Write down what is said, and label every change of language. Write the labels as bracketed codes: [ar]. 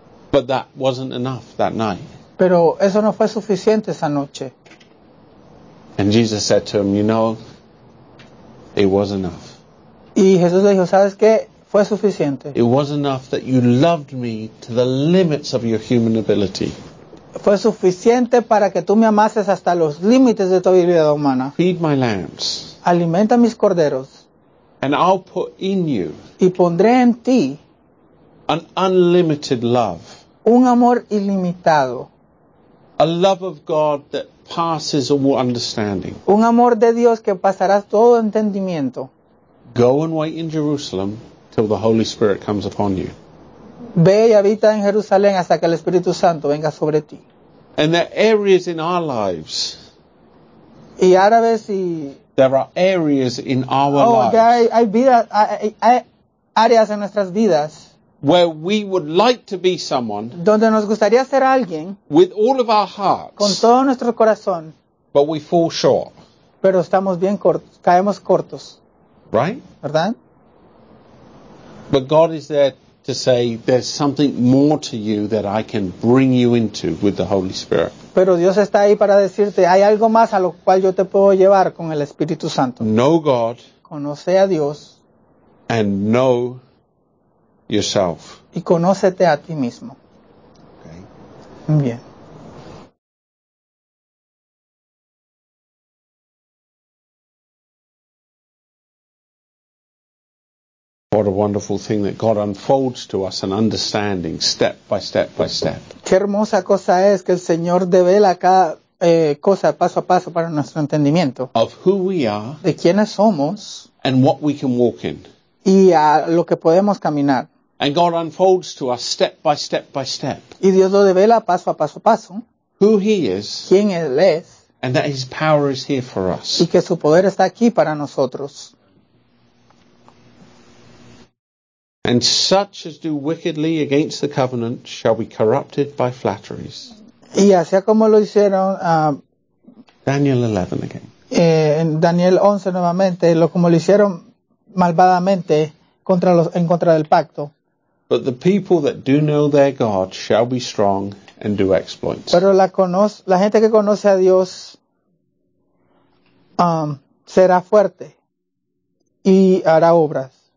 [en] But that wasn't enough that night. [es] Pero eso no fue suficiente esa noche. [en] And Jesus said to him, you know, it was enough. [es] Y Jesús le dijo, ¿sabes qué? Fue suficiente. [en] It was enough that you loved me to the limits of your human ability. [es] Fue suficiente para que tú me amases hasta los límites de tu habilidad humana. [en] Feed my lambs. [es] Alimenta mis corderos. [en] And I'll put in you. [es] Y pondré en ti. [en] An unlimited love. [es] Un amor ilimitado. [en] A love of God that passes all understanding. [es] Un amor de Dios que pasará todo entendimiento. [en] Go and wait in Jerusalem till the Holy Spirit comes upon you. [es] Ve y habita en Jerusalén hasta que el Espíritu Santo venga sobre ti. [en] And there are areas in our lives. [es] Y ahora ves y [en] there are areas in our lives. [es] Oh, ya hay áreas en nuestras vidas. [en] Where we would like to be someone, [es] donde nos gustaría ser alguien, [en] with all of our hearts, [es] con todo nuestro corazón, [en] but we fall short. [es] Pero estamos bien cortos, caemos cortos. [en] Right? [es] ¿Verdad? [en] But God is there to say, there's something more to you that I can bring you into with the Holy Spirit. [es] Pero Dios está ahí para decirte, hay algo más a lo cual yo te puedo llevar con el Espíritu Santo. [en] Know God. [es] Conoce a Dios. [en] And know yourself. [es] Y conócete a ti mismo. [en] Okay. [es] Bien. [en] What a wonderful thing that God unfolds to us an understanding step by step by step. [es] Qué hermosa cosa es que el Señor devela cada cosa paso a paso para nuestro entendimiento. [en] Of who we are. [es] De quiénes somos. [en] And what we can walk in. [es] Y a lo que podemos caminar. [en] And God unfolds to us step by step by step. [es] Y Dios lo devela paso a paso a paso. [en] Who he is. [es] Quién él es. [en] And that his power is here for us. [es] Y que su poder está aquí para nosotros. [en] And such as do wickedly against the covenant shall be corrupted by flatteries. [es] Y así como lo hicieron [en] Daniel 11 again. [es] En Daniel 11 nuevamente, lo como lo hicieron malvadamente contra los, en contra del pacto. [en] But the people that do know their God shall be strong and do exploits. [es] Pero la gente que conoce a Dios será fuerte y hará obras.